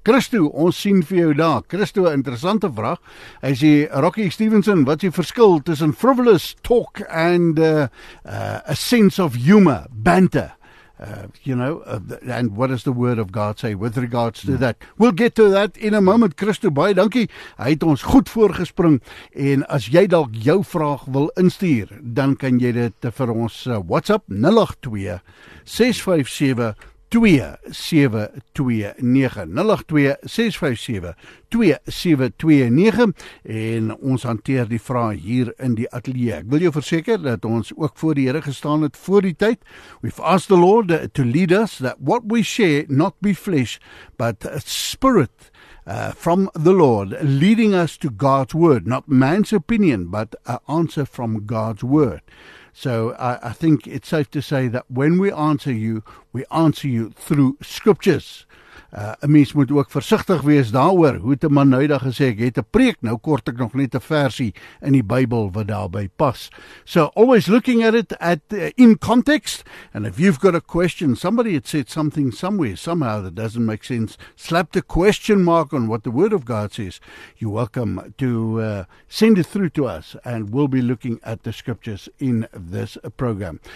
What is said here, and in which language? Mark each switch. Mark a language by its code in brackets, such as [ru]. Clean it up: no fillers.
[af] Christo, ons sien vir jou daar. Christo, interessante vraag. Hy sê, Rocky Stevenson, wat is die verskil tussen [en] frivolous talk and a sense of humor, banter? And what does the word of God say with regards to that? We'll get to that in a moment. Christo, [af] baie dankie. Hy het ons goed voorgespring. En as jy dalk jou vraag wil instuur, dan kan jy dit vir ons WhatsApp 082-657-2729 en ons hanteer die vraag hier in die ateljee. Ek wil jou verseker dat ons ook voor die Here gestaan het voor die tyd. [en] We've asked the Lord to lead us that what we share not be flesh but a spirit from the Lord leading us to God's word, not man's opinion but an answer from God's word. So I think it's safe to say that when we answer you through scriptures. [af] 'N mens moet ook versigtig wees daaroor. Hoe het 'n man nou daag gesê, ek het 'n preek, nou kort ek nog net 'n versie in die Bybel wat daarby pas. [en] So always looking at it in context, and if you've got a question, somebody had said something somewhere, somehow that doesn't make sense, slap the question mark on what the Word of God says, you're welcome to send it through to us, and we'll be looking at the scriptures in this program.